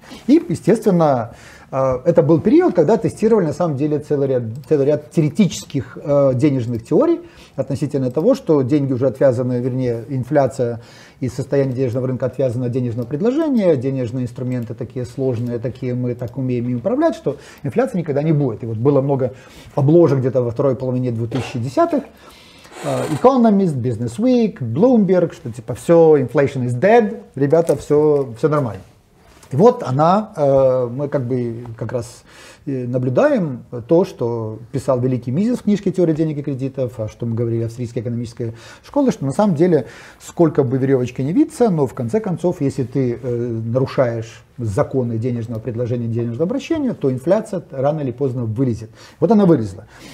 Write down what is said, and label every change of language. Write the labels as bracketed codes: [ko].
[ru] И, естественно, это был период, когда тестировали на самом деле целый ряд теоретических денежных теорий относительно того, что деньги уже отвязаны, вернее, инфляция и состояние денежного рынка отвязано от денежного предложения, денежные инструменты такие сложные, такие мы так умеем им управлять, что инфляции никогда не будет. И вот было много обложек где-то во второй половине 2010-х. Economist, Business Week, Bloomberg, что типа все, [en] inflation is dead, [ru] ребята, все нормально. И вот она, мы как бы как раз наблюдаем то, что писал великий Мизес в книжке «Теория денег и кредитов», а что мы говорили о австрийской экономической школе, что на самом деле сколько бы веревочки не виться, но в конце концов, если ты нарушаешь законы денежного предложения, денежного обращения, то инфляция рано или поздно вылезет. Вот она вылезла.